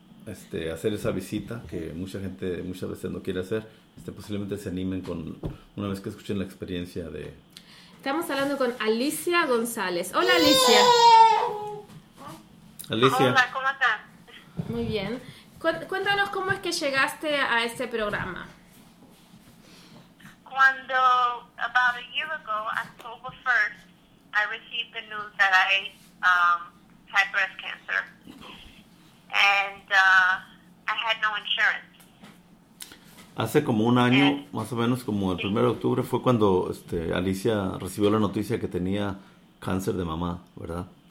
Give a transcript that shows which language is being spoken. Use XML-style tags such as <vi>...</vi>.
<es>hacer esa visita que mucha gente muchas veces no quiere hacer, posiblemente se animen con una vez que escuchen la experiencia de... Estamos hablando con Alicia González. ¡Hola, Alicia! Alicia. Hola, ¿cómo estás? Muy bien. Cuéntanos cómo es que llegaste a este programa.</es> <en>Cuando, about a year ago, October 1st, I received the news that I had breast cancer. And I had no insurance.</en> <es>Hace como un año, más o menos, como el 1 de octubre, fue cuando Alicia recibió la noticia que tenía cáncer de mamá, ¿verdad?</es>